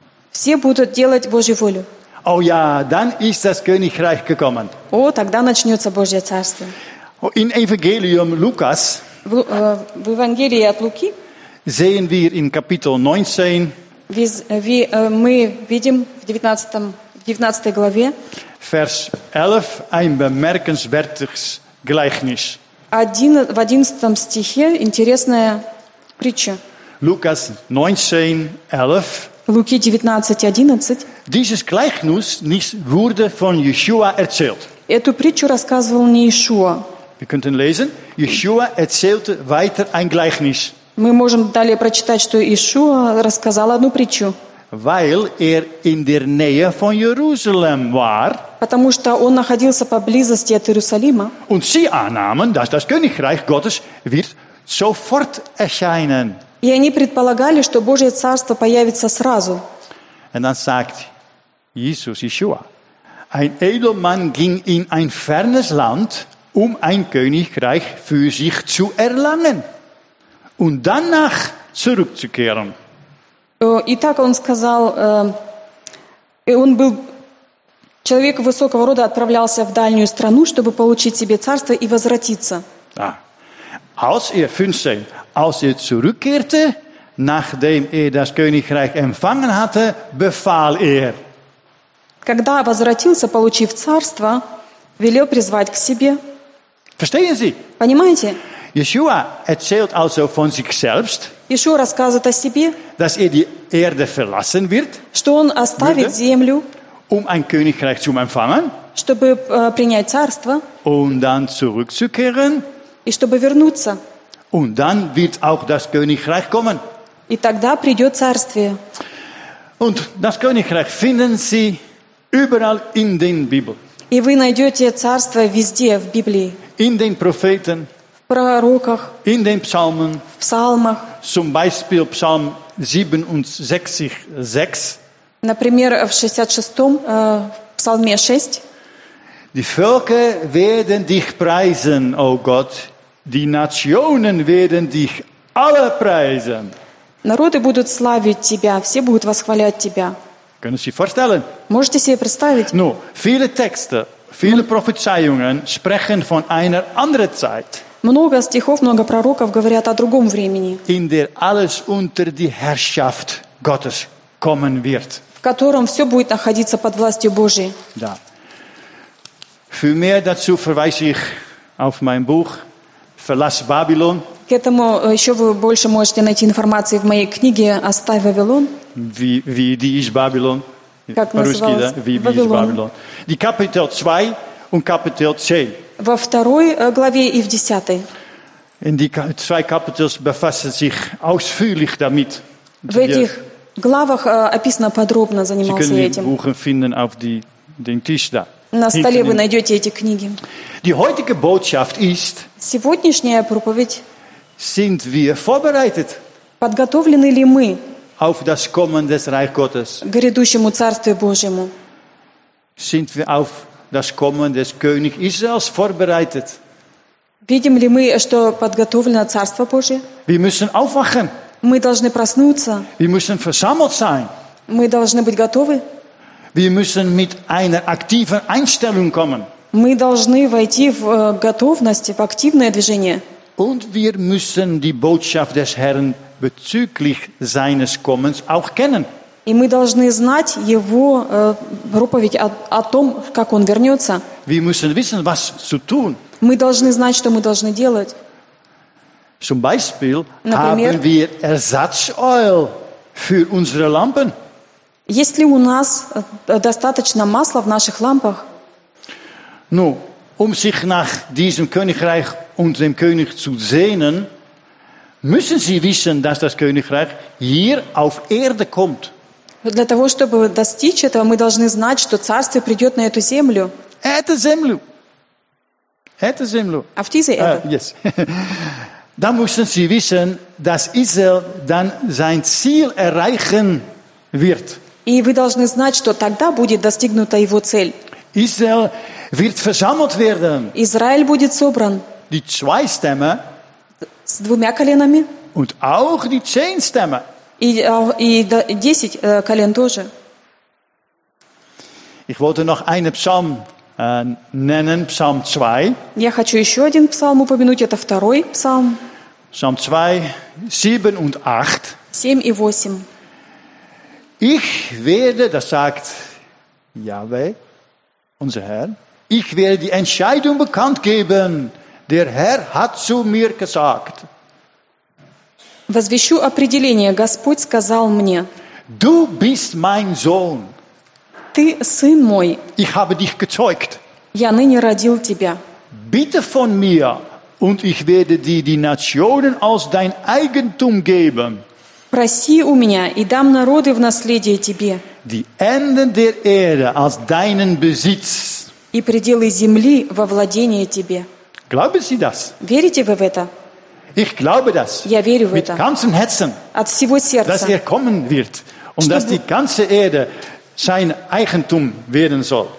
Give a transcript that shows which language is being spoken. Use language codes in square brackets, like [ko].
[ru] Все будут делать Божью волю. [de] Oh ja, dann ist das Königreich gekommen. [ru] Oh, тогда начнется Божье царство. [de] In Evangelium Lukas. [ru] В Евангелии от Луки. [de] Sehen wir in Kapitel 19. [ru] Мы видим в 19 главе. [de] Vers 11 ein bemerkenswertes Gleichnis. [ru] В 11 стихе интересная притча. [de] Lukas 19, 11. [ru] Луки 19, 11. [de] Dieses Gleichnis wurde von Yeshua erzählt. [ru] Эту притчу рассказывал не Иешуа. [de] Wir könnten lesen, Yeshua erzählte weiter ein Gleichnis. [ru] Мы можем далее прочитать, что Иешуа рассказал одну притчу. [de] Weil in der Nähe von Jerusalem war. [ru] Потому что он находился поблизости от Иерусалима. [de] Und sie annahmen, dass das Königreich Gottes wird sofort erscheinen. [ru] И они предполагали, что Божье царство появится сразу. [de] Und dann sagt Jesus Yeshua, ein Edelmann ging in ein fernes Land, ein Königreich für sich zu erlangen und danach zurückzukehren. [ru] Итак, он сказал, он был человек высокого рода, отправлялся в дальнюю страну, чтобы получить себе царство и возвратиться. Да. [de] Als er 15, als er zurückkehrte, nachdem er das Königreich empfangen hatte, befahl er. [ru] Когда возвратился, получив царство, велел призвать к себе. [de] Verstehen Sie? [ru] Понимаете? [de] Yeshua erzählt also von sich selbst. [ru] Yeshua рассказывает о себе. [de] Dass er die Erde verlassen wird. [ru] Что он оставит землю. [de] Ein Königreich zu empfangen. [ru] Чтобы принять царство. [de] Dann zurückzukehren. [ru] И чтобы вернуться. [de] Dann wird auch das Königreich kommen. [ru] И тогда придет царствие. [de] Und das Königreich finden Sie überall in den Bibel. [ru] И вы найдете царство везде в Библии. [de] In den Propheten. [ru] В пророках. [de] In den Psalmen. [ru] В псалмах. [de] Zum Beispiel Psalm 67, 6. [ru] Например, в 66-м, Псалме 6. [de] Die Völker werden dich preisen, o Gott. Die Nationen werden dich alle preisen. [ru] Народы будут славить тебя, все будут восхвалять тебя. [de] Können Sie vorstellen? [ru] Можете себе представить? Ну, [de] viele Texte, viele Prophezeiungen sprechen von einer anderen Zeit. [ru] Много стихов, много пророков говорят о другом времени. [de] In der alles unter die Herrschaft Gottes kommen wird. [ru] В котором все будет находиться под властью Божией. Да. [de] Für mehr dazu verweise ich auf mein Buch Verlass Babylon. [ru] К этому еще вы больше можете найти информации в моей книге «Оставь Вавилон». [de] Wie ist Babylon? [ru] Как по-русски, да? [de] Wie ist Babylon? Die Kapitel 2 und Kapitel 10. [ru] Во второй главе и в десятой. [de] In die zwei Kapitels befassen sich ausführlich damit. [ru] В этих главах описано подробно, занимался этим. [de] Sie können die Buche finden auf den Tisch da. [ru] На столе вы найдете эти книги. [de] Die heutige Botschaft ist, [ru] сегодняшняя проповедь, [de] sind wir vorbereitet, [ru] подготовлены ли мы [de] auf das Kommen des Reich Gottes, [ru] к грядущему Царствию Божьему? [de] Sind wir auf das Kommen des König Israels vorbereitet? [ru] Видим ли мы, что подготовлено Царство Божье? [de] Wir müssen aufwachen. [ru] Мы должны проснуться. [de] Wir müssen versammelt sein. [ru] Мы должны быть готовы. [de] Wir müssen mit einer aktiven Einstellung kommen. [ru] Мы должны войти в готовность, в активное движение. [de] Und wir müssen die Botschaft des Herrn bezüglich seines Kommens auch kennen. [ru] И мы должны знать его проповедь о том, как он вернется. [de] Wir müssen wissen, was zu tun. [ru] Мы должны знать, что мы должны делать. [de] Zum Beispiel, [ru] например, [de] haben wir Ersatzöl für unsere Lampen. [ru] Есть ли у нас достаточно масла в наших лампах? Ну, [de] sich nach diesem Königreich und dem König zu sehnen, müssen Sie wissen, dass das Königreich hier auf Erde kommt. [ru] Для того, чтобы достичь этого, мы должны знать, что Царствие придет на эту землю. Эту землю. Эту землю. [de] Auf diese Erde. [en] Yes. [de] Da müssen sie wissen, dass Israel dann sein Ziel erreichen wird. [ru] И вы должны знать, что тогда будет достигнута его цель. [de] Israel wird versammelt werden. [ru] Израиль будет собран. [de] Die zwei Stämme. [ru] С двумя коленами. [de] Und auch die zehn Stämme. [ru] И 10 колен тоже. [de] Ich wollte noch einen Psalm nennen, Psalm 2. [ru] Я хочу еще один псалм упомянуть, это второй псалм. [de] Psalm 2, 7 und 8. [ru] 7 и 8. [de] Ich werde, das sagt Yahweh, unser Herr, ich werde die Entscheidung bekannt geben, der Herr hat zu mir gesagt. [ru] Возвещу определение. Господь сказал мне. [de] Du bist mein Sohn. [ru] Ты сын мой. [de] Ich habe dich gezeugt. [ru] Я ныне родил тебя. [de] Bitte von mir, und ich werde dir die Nationen als dein Eigentum geben. [ru] Проси у меня, и дам народы в наследие тебе. [de] Die Enden der Erde als deinen Besitz. [ru] И пределы земли во владение тебе. [de] Glauben Sie das? [ru] Верите вы в это? [de] Ich glaube das. [ru] Я верю в [de] mit [ru] это. [de] Ganzem Herzen, [ru] от всего сердца. [de] Dass er kommen wird, und dass die ganze Erde sein Eigentum werden soll.